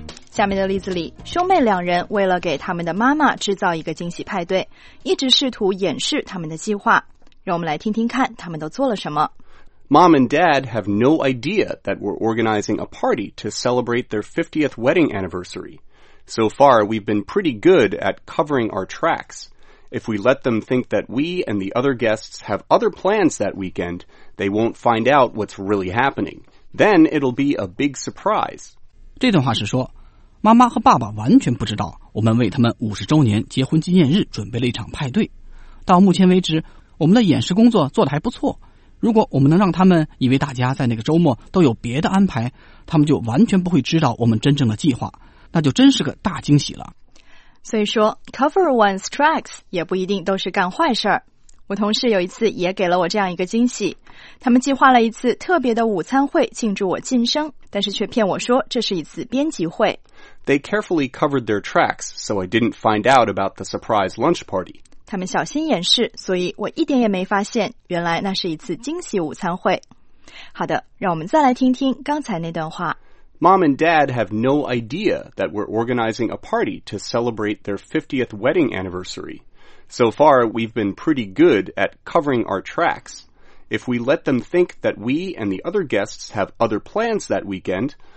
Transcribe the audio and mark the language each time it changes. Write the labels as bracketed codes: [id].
[zh] 下面的例子里，兄妹两人为了给他们的妈妈制造一个惊喜派对，一直试图掩饰他们的计划。让我们来听听看他们都做了什么。 [en] Mom and Dad have no idea that we're organizing a party to celebrate their 50th wedding anniversary. So far, we've been pretty good at covering our tracks. If we let them think that we and the other guests have other plans that weekend, they won't find out what's really happening. Then it'll be a big surprise. [zh] 这段话是说妈妈和爸爸完全不知道我们为他们50周年结婚纪念日准备了一场派对。到目前为止，我们的演示工作做得还不错。如果我们能让他们以为大家在那个周末都有别的安排，他们就完全不会知道我们真正的计划，那就真是个大惊喜了。所以说 cover one's tracks 也不一定都是干坏事儿。我同事有一次也给了我这样一个惊喜，他们计划了一次特别的午餐会庆祝我晋升，但是却骗我说这是一次编辑会。 [en] They carefully covered their tracks, so I didn't find out about the surprise lunch party. [zh] 他们小心掩饰，所以我一点也没发现，原来那是一次惊喜午餐会。好的，让我们再来听听刚才那段话。 [en] Mom and Dad have no idea that we're organizing a party to celebrate their 50th wedding anniversary. So far, we've been pretty good at covering our tracks. If we let them think that we and the other guests have other plans that weekend...